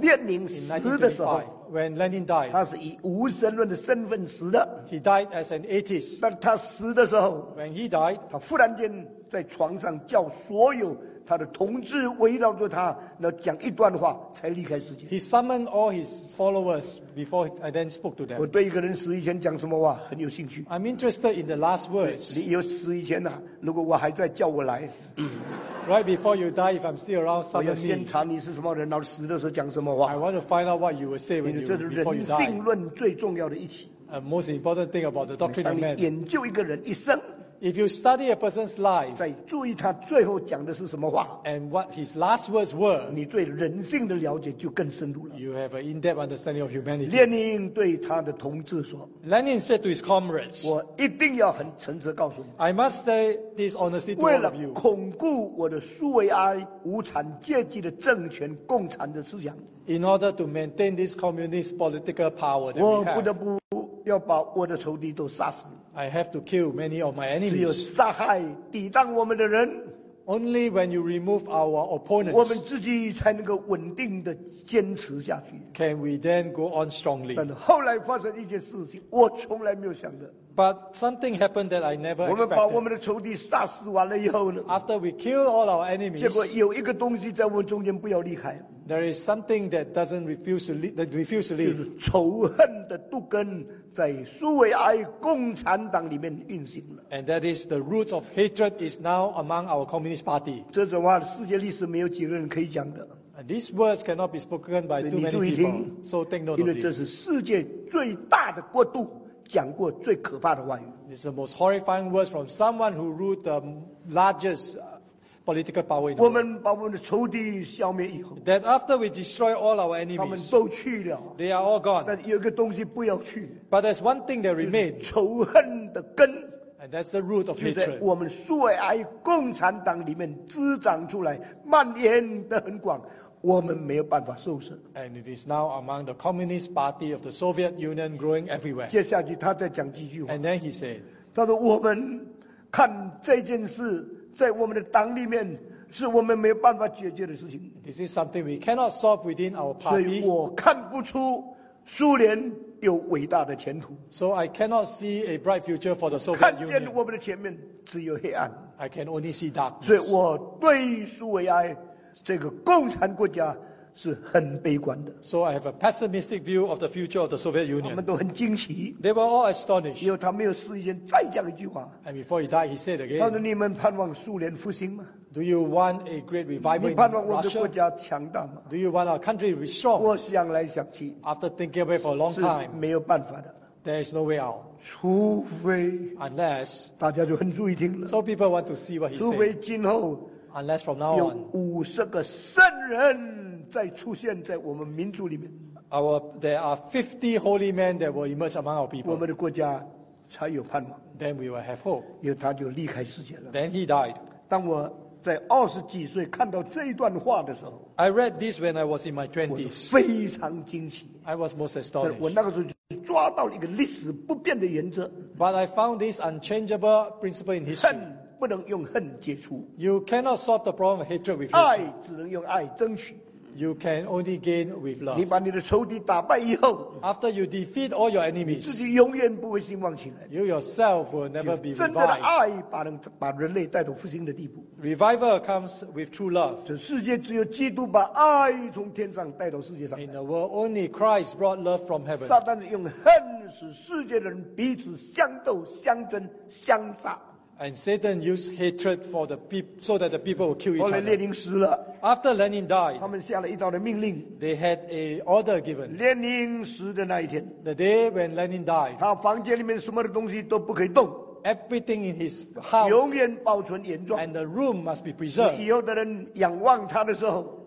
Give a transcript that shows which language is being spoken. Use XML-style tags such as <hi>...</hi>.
<zh>列宁死的时候</zh> <en>，When Lenin died，</en> <zh>他是以无神论的身份死的。</zh> <en>He died as an atheist.</en> <zh>但他死的时候</zh> <en>，When he died，</en> <zh>他忽然间在床上叫所有。他的同志围绕着他，那讲一段话，才离开世界。</zh> <en>He summoned all his followers before I then spoke to them.</en> <zh>我对一个人死以前讲什么话很有兴趣。</zh> <en>I'm interested in the last words.</en> <zh>你有死以前呢、啊？如果我还在，叫我来。</zh> <en>Right before you die, if I'm still around, summon me.</en> <zh>我要先查你是什么人，然后死的时候讲什么话。</zh> <en>I want to find out what you will say when you before you die.</en> <zh>这是人性论最重要的一题。</zh> <en>A most important thing about the doctrine of man.</en> <zh>当你研究一个人一生。</zh> <en>If you study a person's life,</en> <zh>在注意他最后讲的是什么话</zh> <en>，and what his last words were,</en> <zh>你对人性的了解就更深入了。</zh> <en>You have an in-depth understanding of humanity.</en> <zh>列宁对他的同志说</zh> <en>，Lenin said to his comrades,</en> <zh>我一定要很诚实告诉你</zh> <en>，I must say this honestly to all of you.</en> <zh>为了巩固我的苏维埃无产阶级的政权，共产的思想</zh> <en>，in order to maintain this communist political power that we have,</en> <zh>我不得不要把我的仇敌都杀死。</zh> <en>I have to kill many of my enemies.</en> <zh>只有杀害抵挡我们的人</zh> <en>，Only when you remove our opponents,</en> <zh>我们自己才能够稳定的坚持下去。</zh> <en>Can we then go on strongly?</en> <zh>但后来发生一件事情，我从来没有想的。</zh> <en>But something happened that I never expected.</en> <zh>我们把我们的仇敌杀死完了以后呢</zh> <en>？After we kill all our enemies,</en> <zh>结果有一个东西在我们中间不要离开。</zh> <en>There is something that doesn't refuse to leave. That refuse to leave.</en> <zh>就是仇恨的毒根在苏维埃共产党里面运行了。</zh> <en>And that is the roots of hatred is now among our communist party.</en> <zh>这种话世界历史没有几个人可以讲的。</zh> <en>And these words cannot be spoken by too many people. So take note of</en> <zh>因为这是世界最大的国度讲过最可怕的话语。</zh> <en>It's the most horrifying words from someone who ruled the largest. Political power in the world.</en> <zh>我们把我们的仇敌消灭以后</zh> <en>，That after we destroy all our enemies,</en> <zh>他们都去了</zh> <en>，They are all gone.</en> <zh>但有一个东西不要去</zh> <en>，But there's one thing that remains.</en> <zh>仇恨的根</zh> <en>，And that's the root of hatred.</en> <zh>就在我们苏维埃共产党里面滋长出来，蔓延得很广，我们没有办法收拾。</zh> <en>And it is now among the Communist Party of the Soviet Union growing everywhere.</en> <zh>接下去他再讲几句话</zh> <en>，And then he said,</en> <zh>他说我们看这件事。在我们的党里面，是我们没有办法解决的事情。</zh> <en>This is something we cannot solve within our party.</en> <zh>所以我看不出苏联有伟大的前途。</zh> <en>So I cannot see a bright future for the Soviet Union.</en> <zh>看见我们的前面只有黑暗。</zh> <en>I can only see darkness.</en> <zh>所以我对苏维埃这个共产国家是很悲观的。</zh> <en>So I have a pessimistic view of the future of the Soviet Union.</en> <zh>他们都很惊奇。</zh> <en>They were all astonished.</en> <zh>因为他没有事先再讲一句话。</zh> <en>And before he died, he said again.</en> <zh>他说：“你们盼望苏联复兴吗</zh> <en>？”Do you want a great revival in Russia?</en> <zh>你盼望我的国家强大吗</zh> <en>？Do you want our country to be strong?</en> <zh>我想来想去</zh> <en>，After thinking about it for a long time,</en> <zh>是没有办法的。</zh> <en>There is no way out.</en> <zh>除非</zh> <en>unless</en> <zh>大家就很注意听了。</zh> <en>So people want to see what he said.</en> <zh>除非今后</zh> <en>unless from now on</en> <zh>有五十个圣人。在出现在我们民族里面</zh> <en>there are 50 holy men that will emerge among our people</en> <zh>我们的国家才有盼望</zh> <en>then we will have hope</en> <zh>因为他就离开世界了</zh> <en>then he died</en> <zh>当我在二十几岁看到这一段话的时候</zh> <en>I read this when I was in my 20s</en> <zh>我非常惊奇</zh> <en>I was most astonished</en> <zh>我那个时候就抓到一个历史不变的原则</zh> <en>but I found this unchangeable principle in history</en> <zh>不能用恨解除</zh> <en>you cannot solve the problem of hatred with hatred</en> <zh>爱只能用爱争取</zh> <en>You can only gain with love.</en> <zh>你把你的仇敌打败以后</zh> <en>，After you defeat all your enemies，</en> <zh>自己永远不会兴旺起来。</zh> <en>You yourself will never be revived.</en> <zh>真正的爱把人类带到复兴的地步。</zh> <en>Revival comes with true love.</en> <zh>这世界只有基督把爱从天上带到世界上。</zh> <en>In the world, only Christ brought love from heaven.</en> <zh>撒旦用恨使世界的人彼此相斗、相争、相杀。</zh> <en>And Satan used hatred for the people so that the people would kill each other.</en> <zh>后来列宁死了。</zh> <en>After Lenin died,</en> <zh>他们下了一道的命令。</zh> <en>They had a order given.</en> <zh>列宁死的那一天。</zh> <en>The day when Lenin died,</en> <zh>他房间里面什么的东西都不可以动。</zh> <en>Everything in his house,</en> <zh>永远保存原状。</zh> <en>And the room must be preserved.</en> <zh>以后的人仰望他的时候。</zh>